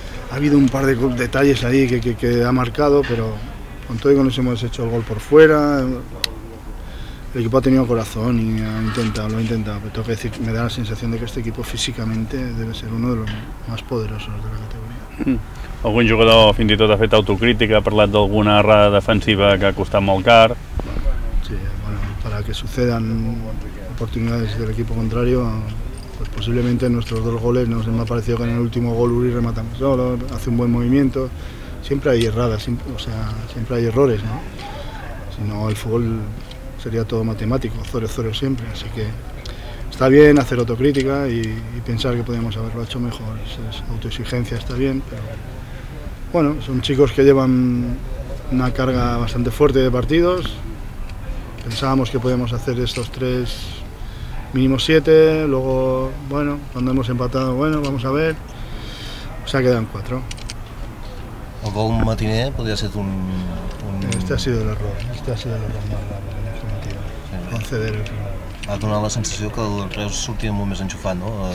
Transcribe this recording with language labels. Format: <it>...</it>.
<es>Ha habido un par de detalles ahí que ha marcado, pero con todo y con eso hemos hecho el gol por fuera. El equipo ha tenido corazón y lo ha intentado. Pero tengo que decir, me da la sensación de que este equipo físicamente debe ser uno de los más poderosos de la categoría.</es> <ca>Algun jugador fins i tot ha fet autocrítica, ha parlat d'alguna errada defensiva que ha costat molt car.</ca> <es>Sí, bueno, para que sucedan oportunidades del equipo contrario, pues posiblemente en nuestros dos goles nos hemos parecido que en el último gol Uri rematamos solo, hace un buen movimiento. Siempre hay erradas, siempre hay errores, ¿no? Si no, el fútbol sería todo matemático, 0-0 siempre, así que está bien hacer autocrítica y pensar que podríamos haberlo hecho mejor. Es autoexigencia, está bien, pero bueno, son chicos que llevan una carga bastante fuerte de partidos. Pensábamos que podíamos hacer estos tres, mínimo 7. Luego, bueno, cuando hemos empatado, bueno, vamos a ver. O sea, quedan 4. ¿O con un matiné podría ser un...? Este ha sido el error más grave. Conceder el primer.</es> <ca>Ha donat la sensació que el Reus sortia molt més enxufat, no?</ca>